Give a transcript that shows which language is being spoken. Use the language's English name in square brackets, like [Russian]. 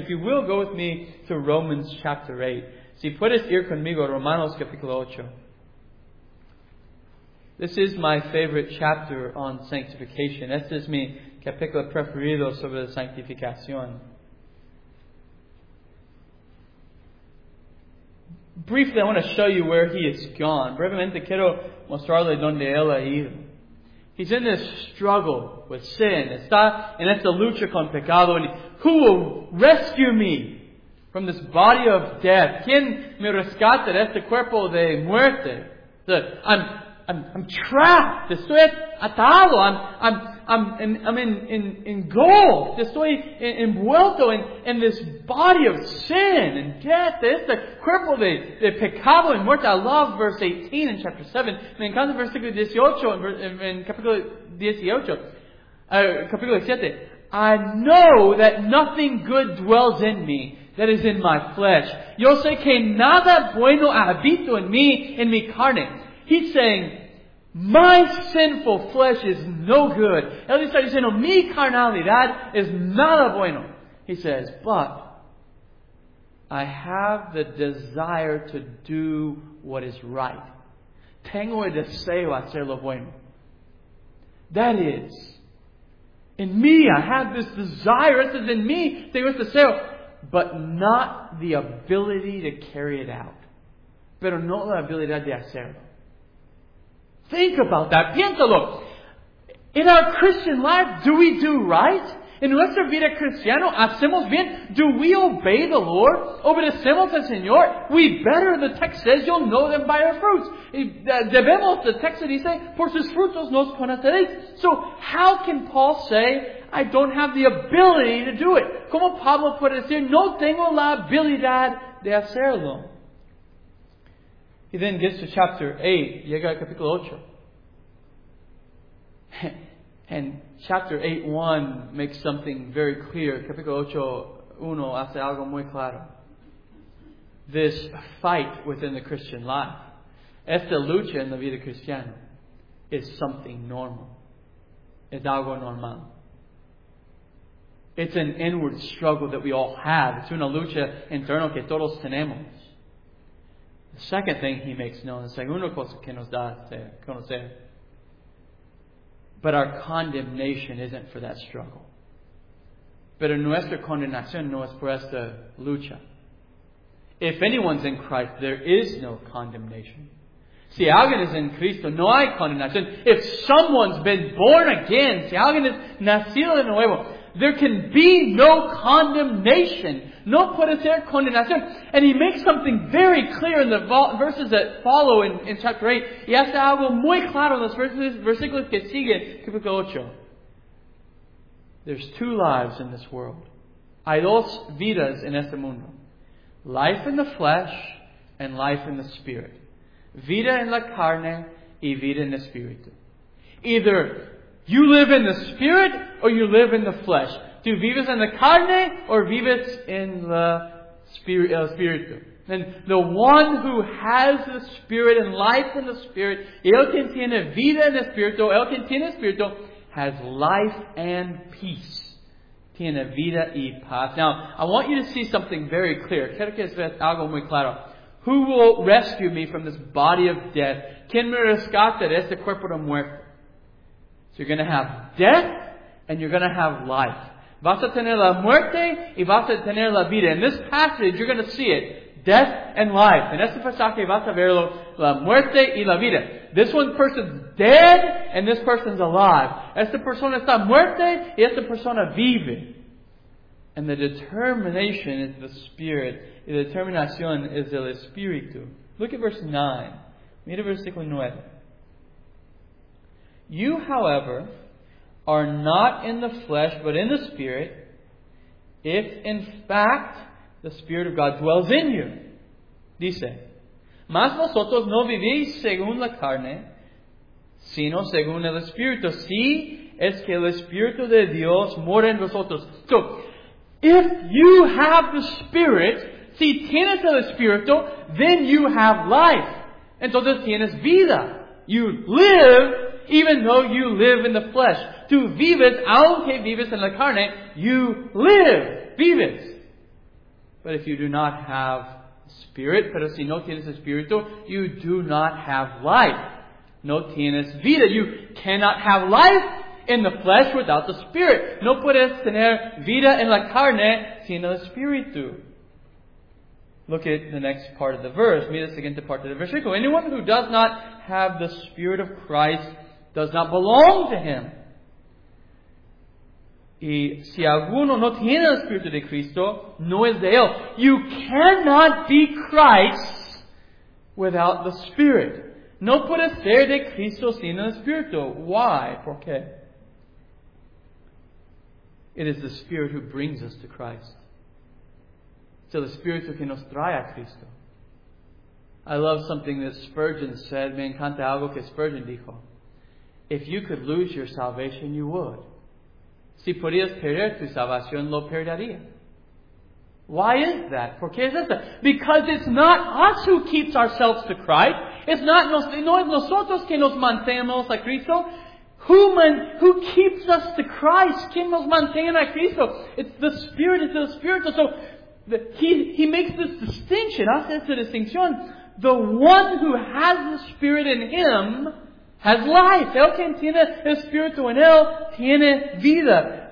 [English] If you will, go with me to Romans chapter 8. [Spanish] Si puedes ir conmigo a Romanos capítulo 8. [English] This is my favorite chapter on sanctification. [Spanish] Este es mi capítulo preferido sobre la santificación. [English] Briefly, I want to show you where he has gone. [Spanish] Brevemente, quiero mostrarle donde él ha ido. [English] He's in this struggle with sin. [Spanish] Está en esta lucha con pecado. [English] And who will rescue me from this body of death? [Spanish] ¿Quién me rescata de este cuerpo de muerte? [English] I'm trapped. [Spanish] Estoy atado. [English] I'm engulfed. [Spanish] Estoy envuelto [English] in this body of sin and death. [Spanish] Este cuerpo de pecado y muerte. [English] I love verse 18 in chapter 7. [Spanish] Me encanta versículo 18 en capítulo 18. Capítulo 7. [English] I know that nothing good dwells in me that is in my flesh. [Spanish] Yo sé que nada bueno habito en mi carne. [English] He's saying, my sinful flesh is no good. [Spanish] Él está diciendo, mi carnalidad [English] is [Spanish] nada bueno. [English] He says, but I have the desire to do what is right. [Spanish] Tengo el deseo hacer lo bueno. [English] That is, in me, I have this desire, this is in me, [Spanish] tengo este deseo, [English] but not the ability to carry it out. [Spanish] Pero no la habilidad de hacerlo. [English] Think about that. [Spanish] Piénsalo. [English] In our Christian life, do we do right? [Spanish] En nuestra vida cristiana, ¿hacemos bien? [English] Do we obey the Lord? [Spanish] ¿Obedecemos al Señor? [English] We better, the text says, you'll know them by their fruits. [Spanish] Debemos, the text dice, por sus frutos nos conoceréis. [English] So how can Paul say, I don't have the ability to do it? [Spanish] ¿Cómo Pablo puede decir, no tengo la habilidad de hacerlo? [English] He then gets to chapter 8, [Spanish] llega a capítulo 8. [English] And chapter 8:1 makes something very clear. [Spanish] Capítulo 8:1 hace algo muy claro. [English] This fight within the Christian life, [Spanish] esta lucha en la vida cristiana, [English] is something normal. [Spanish] Es algo normal. [English] It's an inward struggle that we all have. It's [Spanish] una lucha interna que todos tenemos. [English] The second thing he makes known, the [Spanish] segunda cosa que nos da a conocer, [English] but our condemnation isn't for that struggle. [Spanish] Pero nuestra condenación no es por esta lucha. [English] If anyone's in Christ, there is no condemnation. [Spanish] Si alguien es en Cristo, no hay condenación. [English] If someone's been born again, [Spanish] si alguien es nacido de nuevo, [English] there can be no condemnation. [Spanish] No puede ser condenación. [English] And he makes something very clear in the verses that follow in chapter 8. [Spanish] Y hace algo muy claro en los versículos que siguen, capítulo 8. [English] There's two lives in this world. [Spanish] Hay dos vidas en este mundo. [English] Life in the flesh and life in the spirit. [Spanish] Vida en la carne y vida en el espíritu. [English] Either you live in the spirit or you live in the flesh. [Spanish] Tú vives en la carne [English] or [Spanish] vives en la espíritu. [English] And the one who has the spirit and life in the spirit, [Spanish] el quien tiene vida en espíritu, el quien tiene espíritu, [English] has life and peace. [Spanish] Tiene vida y paz. [English] Now, I want you to see something very clear. [Spanish] Quiero que veas algo muy claro. [English] Who will rescue me from this body of death? [Spanish] ¿Quién me rescata de este cuerpo de muerte? [English] So you're going to have death and you're going to have life. [Spanish] Vas a tener la muerte y vas a tener la vida. [English] In this passage, you're going to see it. Death and life. [Spanish] En este pasaje vas a verlo. La muerte y la vida. [English] This one person's dead and this person's alive. [Spanish] Esta persona está muerta y esta persona vive. And the determination is the spirit. Y la determinación es el espíritu. Look at verse 9. Mira versículo 9. [English] You, however, are not in the flesh, but in the spirit, if in fact the spirit of God dwells in you. [Spanish] Dice, Mas vosotros no vivís según la carne, sino según el Espíritu. Si es que el Espíritu de Dios mora en vosotros. [English] So, if you have the Spirit, [Spanish] si tienes el Espíritu, [English] then you have life. [Spanish] Entonces tienes vida. [English] You live even though you live in the flesh. [Spanish] Tú vives, aunque vives en la carne, [English] you live, [Spanish] vives. [English] But if you do not have Spirit, [Spanish] pero si no tienes Espíritu, [English] you do not have life. [Spanish] No tienes vida. [English] You cannot have life in the flesh without the Spirit. [Spanish] No puedes tener vida en la carne sin el Espíritu. [English] Look at the next part of the verse. [Spanish] Mira la siguiente parte del versículo. [English] Anyone who does not have the Spirit of Christ does not belong to Him. [Spanish] Y si alguno no tiene el Espíritu de Cristo, no es de él. [English] You cannot be Christ without the Spirit. [Spanish] No puede ser de Cristo sin el Espíritu. [English] Why? [Spanish] ¿Por qué? [English] It is the Spirit who brings us to Christ. So the Spirit [Spanish] que nos trae a Cristo. [English] I love something that Spurgeon said. [Spanish] Me encanta algo que Spurgeon dijo. [English] If you could lose your salvation, you would. [Spanish] Si podrías perder tu salvación, lo perdería. [English] Why is that? [Spanish] ¿Por qué es eso? [English] Because it's not us who keeps ourselves to Christ. It's not [Spanish] nosotros que nos mantenemos a Cristo. [English] Who keeps us to Christ? [Spanish] ¿Quién nos mantiene a Cristo? [English] It's the Spirit. It's the Spirit. So he makes this distinction. [Spanish] Hace esta distinción. [English] The one who has the Spirit in him has life. [Spanish] El que tiene el Espíritu en él tiene vida.